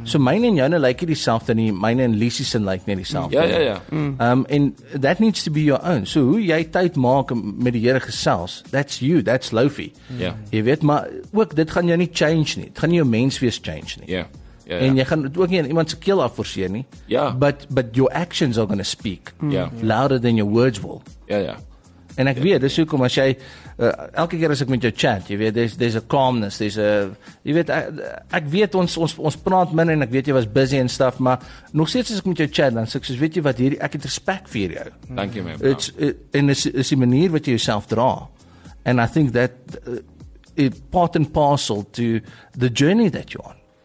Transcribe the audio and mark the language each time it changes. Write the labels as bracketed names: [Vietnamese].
[Afrikaans] So myne en joune [English] like it yourself, [Afrikaans] en myne en Lisie se like net dieselfde. Ja, ja, ja. [English] And that needs to be your own. [Afrikaans] So hoe jy tyd maak met die Here gesels, [English] that's you, that's Lofie. Yeah. [Afrikaans] Jy weet, maar ook, dit gaan jou nie change nie. Dit gaan nie jou mens wees change nie. [English] Yeah. [Afrikaans] Ja, en ja. Jy gaan het ook nie in iemand se keel afvoorseer nie. Ja. [English] But your actions are going to speak louder than your words will. [Afrikaans] Ja, ja. En ek weet, dis hoekom as jy, elke keer as ek met jou chat, jy weet, [English] there's a calmness, there's a, [Afrikaans] jy weet, ek weet ons praat min, en ek weet jy was busy en stuff, maar nog steeds as ek met jou chat, dan sê ek soos, weet jy wat, hierdie, ek het respect vir jou. Dank jy, my bro. En is die manier wat jy jouself dra. [English] And I think that part and parcel to the journey that you're on.